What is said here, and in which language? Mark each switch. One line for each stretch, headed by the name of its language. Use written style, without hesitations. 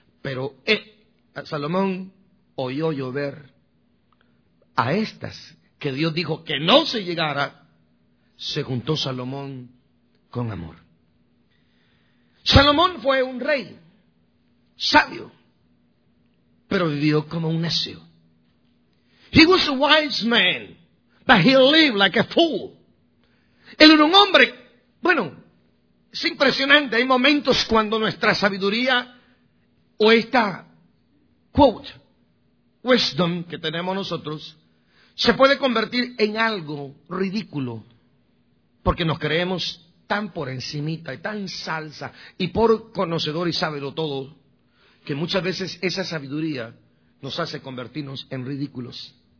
Spanish: Pero Salomón oyó llover a estas que Dios dijo que no se llegara, se juntó Salomón con amor. Salomón fue un rey sabio, pero vivió como un necio.
English: He was a wise man, but he lived like a fool.
Spanish: Él era un hombre, bueno, es impresionante, hay momentos cuando nuestra sabiduría, o esta, quote, wisdom que tenemos nosotros, se puede convertir en algo ridículo, porque nos creemos tan por encimita y tan salsa, y por conocedor y sábelo todo, que muchas veces esa sabiduría nos hace convertirnos en ridículos.